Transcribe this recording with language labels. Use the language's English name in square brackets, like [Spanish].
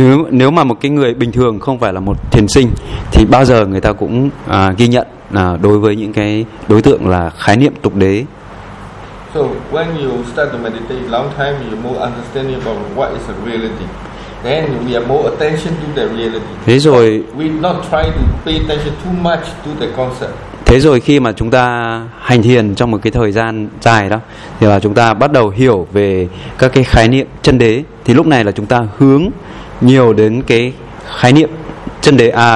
[Vietnamese] Nếu mà một cái người bình thường không phải là một thiền sinh thì bao giờ người ta cũng ghi nhận đối với những cái đối tượng là khái niệm tục đế. [English] So when you start to meditate long time, you more understanding about what is a reality. Then we are more attention to the reality. [Vietnamese] Thế rồi, [English] we not try to pay attention too much to the concept. [Vietnamese] Thế rồi khi mà chúng ta hành thiền trong một cái thời gian dài đó, thì là chúng ta bắt đầu hiểu về các cái khái niệm chân đế. Thì lúc này là chúng ta hướng nhiều đến cái khái niệm chân đế.